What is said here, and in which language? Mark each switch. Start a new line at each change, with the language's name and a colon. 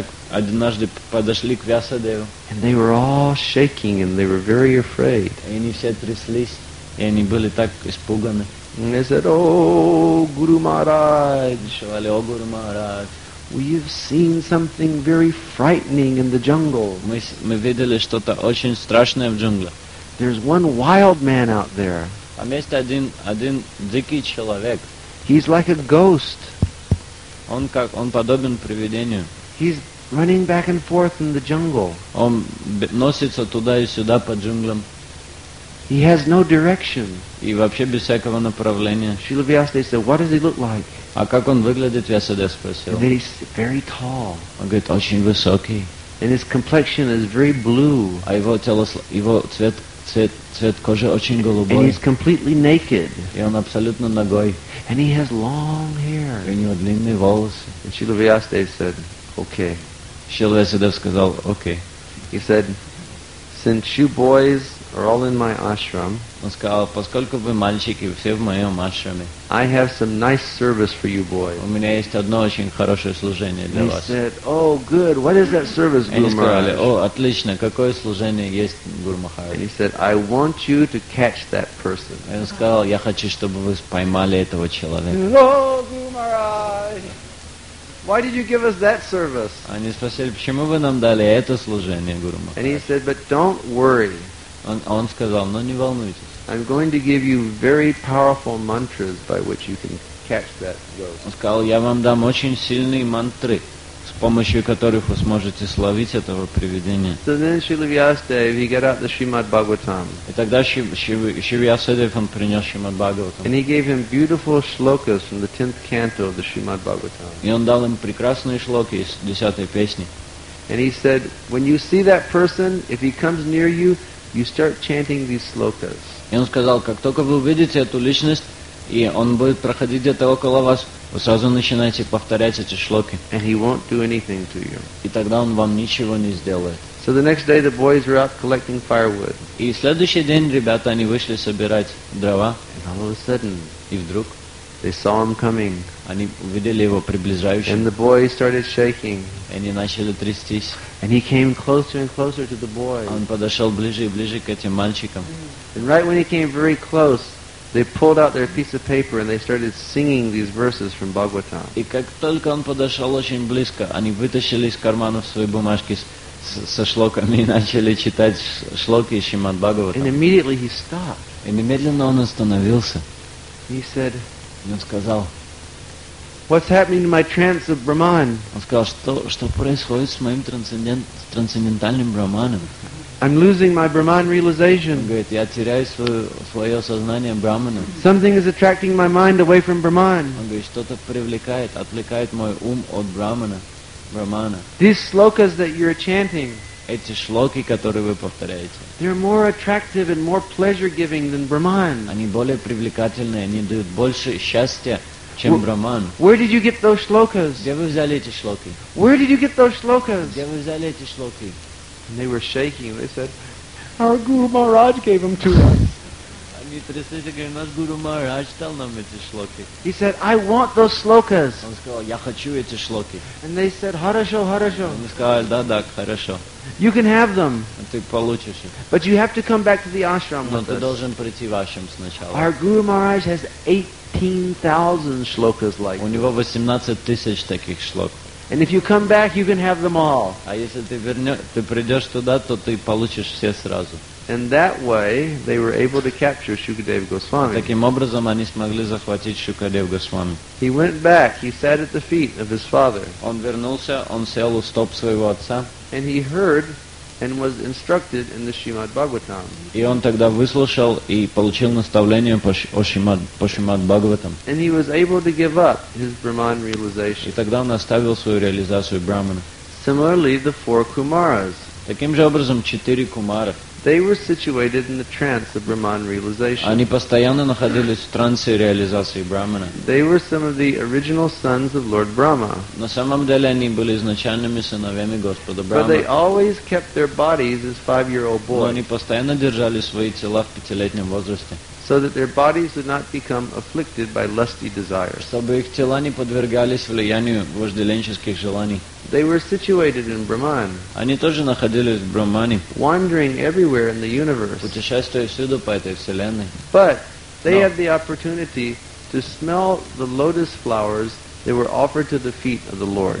Russian: Однажды подошли к Вьясадеву.
English: And they were all shaking and they were very afraid.
Russian: И они все тряслись. и они были так испуганы.
English: They said, "О, Гуру Махарадж!"
Russian: Шевали, "О, Гуру Махарадж!"
English: We have seen something very frightening in the jungle.
Russian: Мы видели что-то очень страшное в джунглях.
English: There's one wild man out there.
Russian: Там есть один дикий человек.
English: He's like a ghost.
Russian: Он подобен привидению.
English: He's running back and forth in the jungle.
Russian: Он носится туда и сюда по джунглям.
English: He has no direction.
Russian: И вообще без всякого направления.
English: Srila Vyasadeva said, "What does he look like?"
Russian: А как он выглядит, Vyasadeva спросил.
English: And he's very tall.
Russian: Он говорит, очень высокий.
English: And his complexion is very blue.
Russian: А его цвет кожи очень голубой.
English: And he's completely naked.
Russian: И он абсолютно ногой.
English: And he has long hair.
Russian: И у него длинные волосы.
English: And Srila Vyasadeva said, "Okay."
Russian: Srila Vyasadeva сказал,
English: "Okay." He said, "Since you boys are all in my ashram."
Russian: Он сказал, поскольку вы мальчики, все в моем ашраме.
English: "I have some nice service for you boys."
Russian: У меня есть одно очень хорошее служение для вас.
English: He said, "Oh, good. What is that service, Guru Maharaj?"
Russian: Они сказали, "О, отлично. Какое служение есть, Гуру Махарадж?"
English: He said, "I want you to catch that person."
Russian: Он сказал, "Я хочу, чтобы вы поймали этого человека."
English: "Oh, Guru Maharaj, why did you give us that service?"
Russian: Они спросили, почему вы нам дали это служение, Гуру Махарадж?
English: And he said, "But don't worry."
Russian: Он сказал, "Но не волнуйтесь."
English: "I'm going to give you very powerful mantras by which you can catch that ghost."
Russian: Он сказал, "Я вам дам очень сильные мантры, с помощью которых вы сможете словить этого привидения."
English: So then Srila Vyasadeva, he got out the Srimad Bhagavatam.
Russian: И тогда Шри Вьясадев, он принес Шримад Бхагаватам.
English: And he gave him beautiful shlokas from the 10th canto of the Srimad Bhagavatam.
Russian: И он дал им прекрасные шлоки из 10-й песни.
English: And he said, "When you see that person, if he comes near you, you start chanting these slokas."
Russian: И он сказал, как только вы увидите эту личность, и он будет проходить где-то около вас, вы сразу начинаете повторять эти шлоки.
English: And he won't do anything to you.
Russian: И тогда он вам ничего не сделает.
English: So the next day the boys were out collecting firewood.
Russian: И в следующий день ребята, они вышли собирать дрова.
English: And all of a sudden,
Russian: и вдруг,
English: they saw him coming.
Russian: Они увидели его приближающим.
English: And the boys started shaking.
Russian: И они начали трястись.
English: And he came closer and closer to the boys.
Russian: Он подошел ближе и ближе к этим мальчикам.
English: And right when he came very close, they pulled out their piece of paper and they started singing these verses from Bhagavatam.
Russian: И как только он подошел очень близко, они вытащили из карманов свои бумажки со шлоками и начали читать шлоки из Шримад Бхагаватам.
English: And immediately he stopped.
Russian: И немедленно он остановился.
English: He said,
Russian: и он сказал,
English: "What's happening to my trance of Brahman?"
Russian: Он сказал, что происходит с моим трансцендентальным Брахманом?
English: "I'm losing my Brahman realization."
Russian: Он говорит, я теряю свое сознание Брахмана.
English: "Something is attracting my mind away from Brahman."
Russian: Он говорит, что-то привлекает, отвлекает мой ум от Брахмана.
English: "These slokas that you're chanting."
Russian: Эти шлоки, которые вы повторяете.
English: "They're more attractive and more pleasure-giving than Brahman."
Russian: Они более привлекательные, они дают больше счастья, чем Брахман.
English: "Where did you get those shlokas?"
Russian: Где вы взяли эти шлоки?
English: "Where did you get those shlokas?"
Russian: Где вы взяли эти шлоки?
English: And they were shaking. They said, "Our Guru Maharaj gave them to us."
Russian: Они тряслись и говорили, "Наш Гуру Махарадж дал нам эти шлоки."
English: He said, "I want those slokas."
Russian: Он сказал, "Я хочу эти шлоки."
English: And they said,
Russian: "Хорошо, хорошо." Они сказали, "Да, да, хорошо."
English: "You can have them."
Russian: Ты получишь их.
English: "But you have to come back to the ashram with us."
Russian: Но ты должен прийти в ашрам сначала.
English: "Our Guru Maharaj has 18,000 shlokas like this."
Russian: У него 18,000 таких шлок.
English: "And if you come back, you can have them all."
Russian: А если ты придешь туда, то ты получишь все сразу.
English: And that way, they were able to capture Shukadev Goswami.
Russian: Таким образом, они смогли захватить Шукадев Госвами.
English: He went back. He sat at the feet of his father.
Russian: Он вернулся. Он сел у стоп своего отца.
English: And he heard and was instructed in the Srimad Bhagavatam.
Russian: И он тогда выслушал и получил наставление по Шримад Бхагаватам.
English: And he was able to give up his Brahman realization.
Russian: И тогда он оставил свою реализацию Брахмана.
English: Similarly, the four Kumaras.
Russian: Таким же образом, четыре Кумара.
English: They were situated in the trance of Brahman realization.
Russian: Они постоянно находились в трансе реализации Брахмана.
English: They were some of the original sons of Lord Brahma.
Russian: На самом деле они были изначальными сыновьями Господа Брахмана.
English: But they always kept their bodies as 5-year-old boys.
Russian: Но они постоянно держали свои тела в пятилетнем возрасте.
English: so that their bodies would not become afflicted by lusty desires.
Russian: Чтобы их тела не подвергались влиянию вожделенческих желаний.
English: They were situated in Brahman.
Russian: Они тоже находились в Брахмане.
English: Wandering everywhere in the universe.
Russian: Путешествуя всюду по этой вселенной.
English: But they had the opportunity to smell the lotus flowers that were offered to the feet of the Lord.